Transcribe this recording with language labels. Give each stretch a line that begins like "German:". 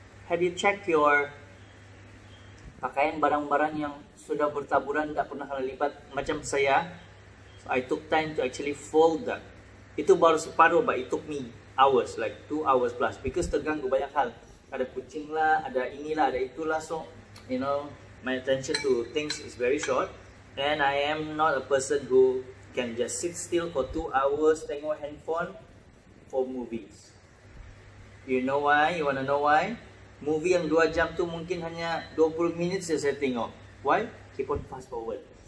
English: Have you check your
Malay: pakaian, barang-barang yang sudah bertaburan tak pernah kena lipat macam saya?
English: So I took time to actually fold that.
Malay: Itu baru separuh,
English: but it took me hours, like 2 hours plus, because
Malay: terganggu banyak hal. Ada kucing lah, ada inilah, ada itulah.
English: So, you know, my attention to things is very short, and I am not a person who can just sit still for 2 hours tengok handphone for movies. You know why? You wanna know why?
Malay: Movie yang 2 jam tu mungkin hanya 20 minit saja saya tengok.
English: Why? Keep on fast forward.